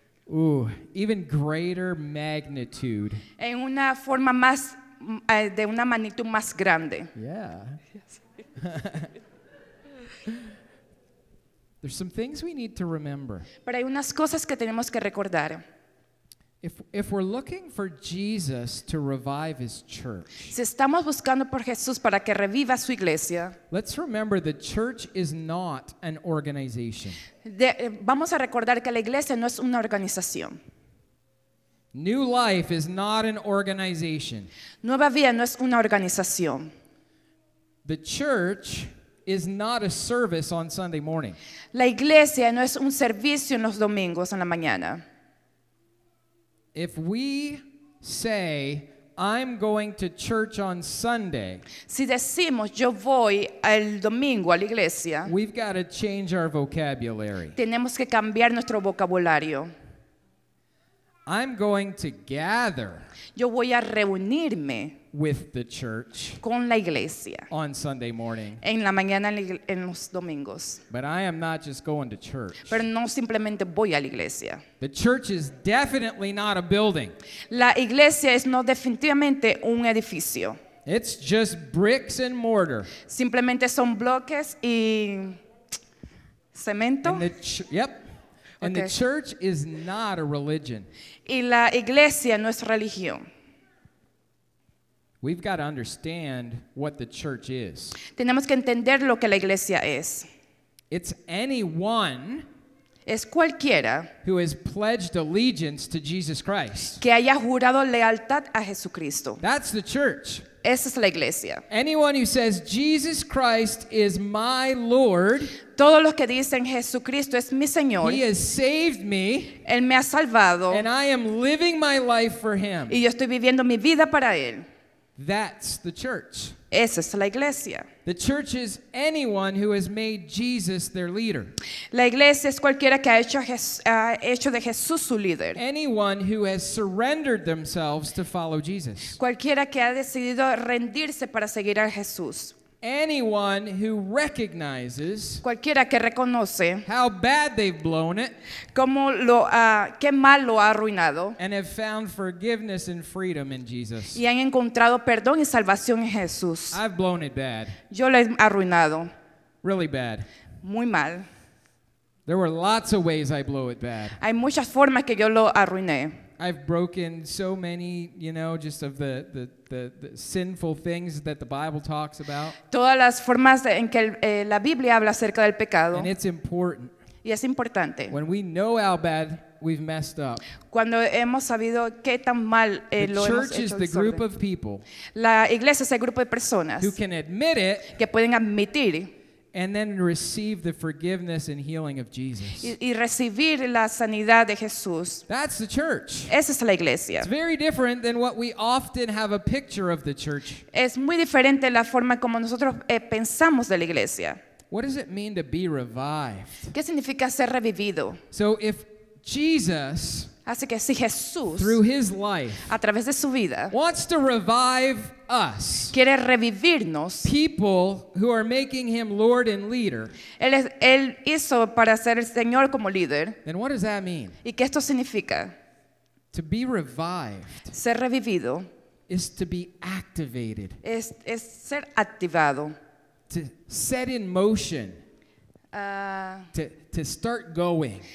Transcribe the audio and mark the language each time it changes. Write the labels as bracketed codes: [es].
[en] Ooh, even greater magnitude. [es] En una forma más de una magnitud más grande. [en] Yeah. There's some things we need to remember. [es] Pero hay unas cosas que tenemos que recordar. [en] If we're looking for Jesus to revive his church. [es] Si estamos buscando por Jesús para que reviva su iglesia. [en] Let's remember the church is not an organization. [es] Vamos a recordar que la iglesia no es una organización. [en] New Life is not an organization. [es] Nueva Vida no es una organización. [en] The church is not a service on Sunday morning. [es] La iglesia no es un servicio en los domingos en la mañana. [en] If we say, I'm going to church on Sunday, [es] si decimos, yo voy el domingo a la iglesia, [en] we've got to change our vocabulary. [es] Tenemos que cambiar nuestro vocabulario. [en] I'm going to gather. [es] Yo voy a reunirme. [en] With the church. [es] Con la iglesia. [en] On Sunday morning. [es] En la mañana en los domingos. [en] But I am not just going to church. [es] Pero no simplemente voy a la iglesia. [en] The church is definitely not a building. [es] La iglesia es no definitivamente un edificio. [en] It's just bricks and mortar. [es] Simplemente son bloques y cemento. [en] And the church is not a religion. [es] Y la iglesia no es religión. [en] We've got to understand what the church is. [es] Tenemos que entender lo que la iglesia es. [en] It's anyone. [es] Es cualquiera. [en] Who has pledged allegiance to Jesus Christ. [es] Que haya jurado lealtad a Jesucristo. [en] That's the church. [es] Esa es la iglesia. [en] Anyone who says Jesus Christ is my Lord. [es] Todos los que dicen Jesucristo es mi Señor. [en] He has saved me. [es] Él me ha salvado. [en] And I am living my life for him. [es] Y yo estoy viviendo mi vida para él. [en] That's the church. [es] Esa es la iglesia. [en] The church is anyone who has made Jesus their leader. [es] La iglesia es cualquiera que ha hecho de Jesús su líder. [en] Anyone who has surrendered themselves to follow Jesus. [es] Cualquiera que ha decidido rendirse para seguir a Jesús. [en] Anyone who recognizes [es] cualquiera que reconoce [en] how bad they've blown it [es] qué mal lo ha arruinado [en] and have found forgiveness and freedom in Jesus. [es] Y han encontrado perdón y salvación en Jesús. [en] I've blown it bad. [es] Yo lo he arruinado. [en] Really bad. [es] Muy mal. [en] There were lots of ways I blew it bad. [es] Hay muchas formas que yo lo arruiné. [en] I've broken so many, you know, just of the sinful things that the Bible talks about. [es] Todas las formas en que la Biblia habla acerca del pecado. [en] And it's important. [es] Y es importante. [en] When we know how bad we've messed up. [es] Cuando hemos sabido qué tan mal lo hemos hecho. [en] The church is the group of people. [es] La iglesia es el grupo de personas. [en] Who can admit it. [es] Que pueden admitir. [en] And then receive the forgiveness and healing of Jesus. [es] Y recibir la sanidad de Jesús. [en] That's the church. [es] Esa es la iglesia. [en] It's very different than what we often have a picture of the church. [es] Es muy diferente la forma como nosotros pensamos de la iglesia. [en] What does it mean to be revived? [es] ¿Qué significa ser revivido? [en] So if Jesus [es] Así que si Jesús, [en] through his life, [es] a través de su vida, [en] wants to revive us, [es] quiere revivirnos, [en] people who are making him Lord and leader, [es] él hizo para ser el Señor como líder, [en] then what does that mean? [es] ¿Y qué esto significa? [en] To be revived, [es] ser revivido, [en] is to be activated, [es] es ser activado, [en] to set in motion, to start going,